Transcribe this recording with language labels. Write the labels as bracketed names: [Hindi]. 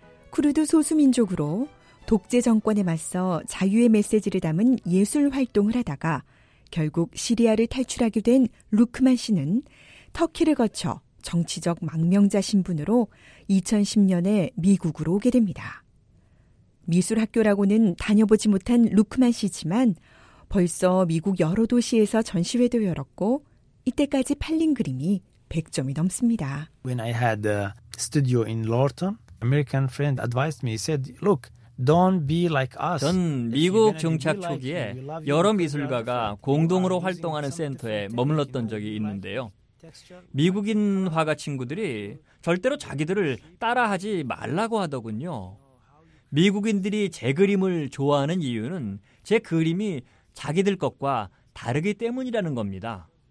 [Korean] 쿠르드 소수민족으로 독재 정권에 맞서 자유의 메시지를 담은 예술 활동을 하다가 결국 시리아를 탈출하게 된 루크만 씨는 터키를 거쳐 정치적 망명자 신분으로 2010년에 미국으로 오게 됩니다. 미술학교라고는 다녀보지 못한 루크만 씨지만 벌써 미국 여러 도시에서 전시회도 열었고 이때까지 팔린 그림이 100점이 넘습니다. [English] When I had a studio in Lorton, American friend advised me, he said, look, don't be like us. [Korean] 전 미국 정착 초기에 여러 미술가가 공동으로 활동하는 센터에 머물렀던 적이 있는데요. 미국인 화가 친구들이 절대로 자기들을 따라하지 말라고 하더군요. 미국인들이 제 그림을 좋아하는 이유는 제 그림이 자기들 것과 다르기 때문이라는 겁니다.